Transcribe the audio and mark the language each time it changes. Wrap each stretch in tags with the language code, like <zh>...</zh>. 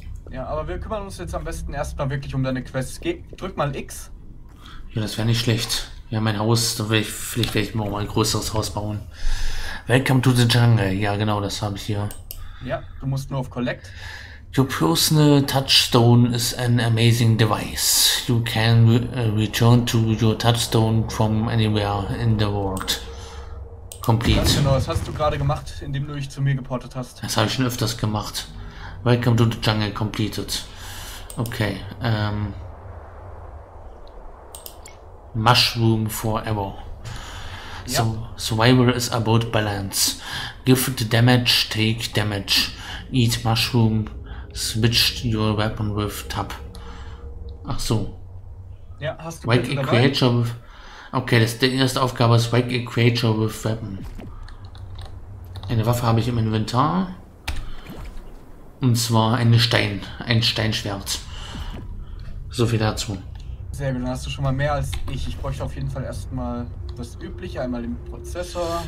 <de>Ja, aber wir kümmern uns jetzt am besten erstmal wirklich um deine Quest. Drück mal X. Ja, das wäre nicht schlecht. Ja, mein Haus, vielleicht werde ich mir auch mal ein größeres Haus bauen.</de> <en>Welcome to the Jungle.</en> <de>Ja, genau, das habe ich hier. Ja, du musst nur auf Collect.</de> <en>Your personal touchstone is an amazing device. You can return to your touchstone from anywhere in the world. Complete.</en> <de>Genau, das hast du gerade gemacht, indem du dich zu mir geportet hast. Das habe ich schon öfters gemacht.</de> <en>Welcome to the Jungle completed. Okay. Mushroom forever. So, survival is about balance. Give the damage, take damage. Eat mushroom, switch your weapon with tab.</en> <de>Ach so. Ja, hast du</de> <en>wake a creature with.</en> <de>Okay, das ist die erste Aufgabe, ist</de> <en>wake a creature with weapon.</en> <de>Eine Waffe habe ich im Inventar. Und zwar ein Steinschwert. So viel dazu. Sehr gut, dann hast du schon mal mehr als ich. Ich bräuchte auf jeden Fall erstmal das Übliche, einmal den Prozessor.</de>